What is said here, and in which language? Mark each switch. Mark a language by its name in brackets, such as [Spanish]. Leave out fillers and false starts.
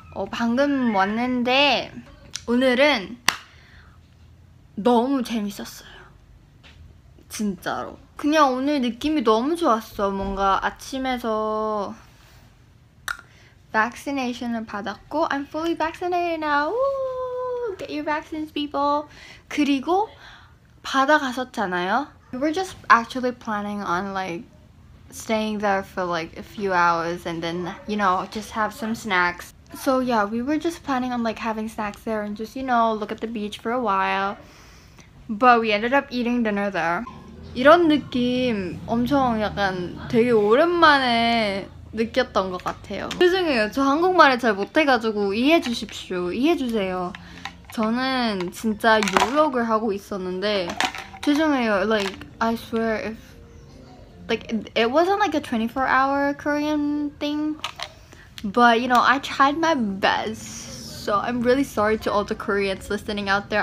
[Korean] 방금 왔는데 오늘은 너무 재밌었어요. 진짜로. 그냥 오늘 느낌이 너무 좋았어. 뭔가 아침에서 vaccination을 받았고 [English] I'm fully vaccinated now. Ooh, get your vaccines, people. [Korean] 그리고 바다 갔었잖아요. [English] We're just actually planning on like staying there for like a few hours and then, you know, just have some snacks. So yeah, we were just planning on like having snacks there and just, you know, look at the beach for a while. But we ended up eating dinner there. [Korean] 이런 느낌 엄청 약간 되게 오랜만에 느꼈던 것 같아요. 죄송해요. 저 한국말을 잘 못해가지고 이해해 주십시오. 이해해 주세요. 저는 진짜 유럽을 하고 있었는데 죄송해요. [English] Like, I swear if like it wasn't like a 24-hour Korean thing, but you know I tried my best. So I'm really sorry to all the Koreans listening out there.